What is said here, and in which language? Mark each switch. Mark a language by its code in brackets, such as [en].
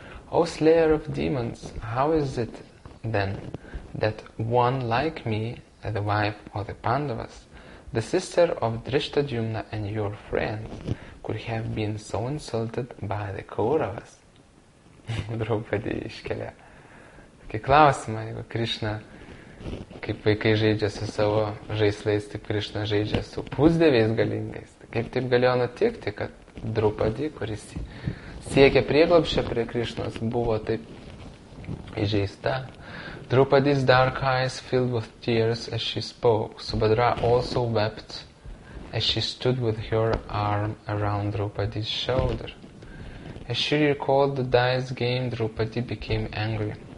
[en] O slayer of demons, how is it then that one like me, the wife of the Pandavas, the sister of Drishtadyumna and your friend, could have been so insulted by the Kauravas? [lt] Draupadi iškelia. Tokį klausimą, jeigu Krishna kaip vaikai žaidžia su savo žaislais, taip Krišna žaidžia su pusdeviais galingais. Kaip taip galėjo nutikti, kad Draupadi, kuris siekė prieglobščio prie Krišnos, buvo taip įžeista. [en] Draupadi's dark eyes filled with tears as she spoke. Subhadra also wept as she stood with her arm around Draupadi's shoulder. As she recalled the dice game, Draupadi became angry.